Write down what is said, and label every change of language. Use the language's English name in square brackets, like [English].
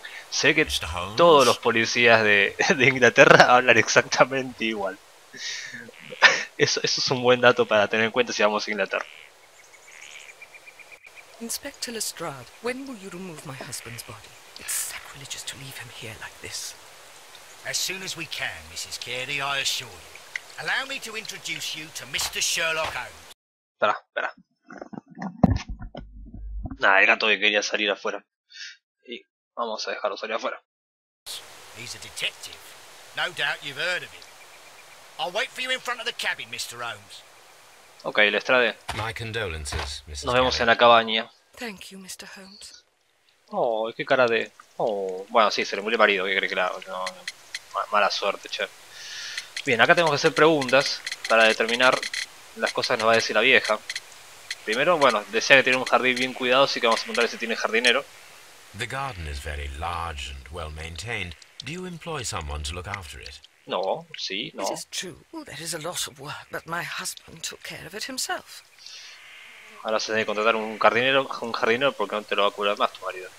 [Spanish] Sé que todos los policías de Inglaterra hablan exactamente igual. Eso es un buen dato para tener en cuenta si vamos a Inglaterra. [English] Inspector Lestrade, when will you remove my husband's body? It's sacrilegious to leave him here like this. As soon as we can, Mrs. Carey, I assure you. Allow me to introduce you to Mr. Sherlock Holmes. [Spanish] Espera, espera. Nah, el gato que quería salir afuera. Y vamos a dejarlo salir afuera. [English] He's a detective. No doubt you've heard of him. I'll wait for you in front of the cabin, Mr. Holmes. Ok, Lestrade. My condolences, Mrs. [Spanish] Nos vemos en la cabaña. [English] Thank you, Mr. Holmes. [Spanish] Oh, qué cara de. Oh, bueno, sí, se le murió el marido, que cree que la. No, mala suerte, che. Bien, acá tenemos que hacer preguntas para determinar las cosas que nos va a decir la vieja. Primero, bueno, decía que tiene un jardín bien cuidado, así que vamos a preguntarle si tiene jardinero. [English] The garden is very large and well maintained. Do you employ someone to look after it? [Spanish] No, sí, no. [English] It is true. There is a lot of work, but my husband took care of it himself. [Spanish] Ahora se tiene que contratar un jardinero porque no te lo va a curar más tu marido.